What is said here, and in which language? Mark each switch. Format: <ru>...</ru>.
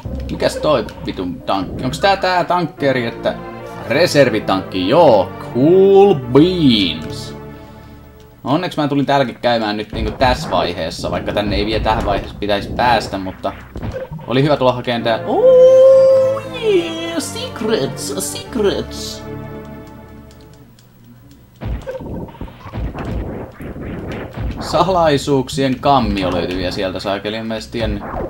<fi>Mikäs toi vitun tankki? Onks tää tankkeri, että... Reservitankki, joo.</fi> <en>Cool beans.</en> <fi>Onneksi mä tulin täälläkin käymään nyt niinku tässä vaiheessa, vaikka tänne ei vielä tähän vaiheessa pitäisi päästä, mutta... Oli hyvä tulla hakemaan tää...</fi> <en>Oh yeah, secrets, secrets.</en> <fi>Salaisuuksien kammio löytyy vielä sieltä, saakeli, en mä edes tiennyt.</fi>